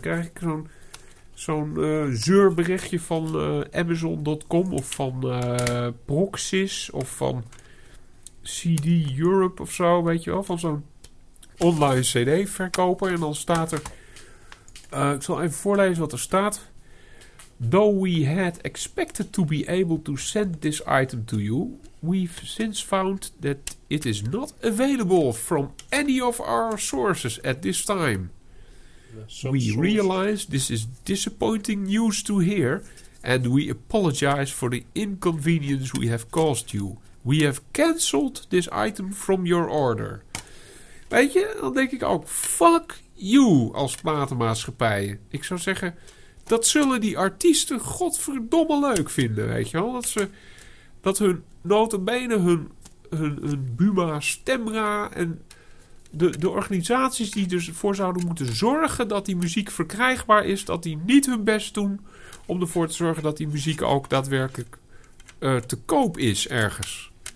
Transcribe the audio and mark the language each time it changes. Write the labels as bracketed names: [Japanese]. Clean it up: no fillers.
[Dutch] krijg ik zo'n zeurberichtje van Amazon.com... of van Proxys... of van CD Europe of zo, weet je wel... van zo'n online cd-verkoper... en dan staat er... ik zal even voorlezen wat er staat... [English] Though we had expected to be able to send this item to you... we've since found that it is not available from any of our sources at this time. We realize this is disappointing news to hear, and we apologize for the inconvenience we have caused you. We have cancelled this item from your order. [Dutch] Weet je, dan denk ik ook, fuck you als platenmaatschappij. Ik zou zeggen, dat zullen die artiesten godverdomme leuk vinden, weet je wel. Dat hun notabene, hun Buma, Stemra en de organisaties die ervoor zouden moeten zorgen dat die muziek verkrijgbaar is, dat die niet hun best doen om ervoor te zorgen dat die muziek ook daadwerkelijk te koop is ergens.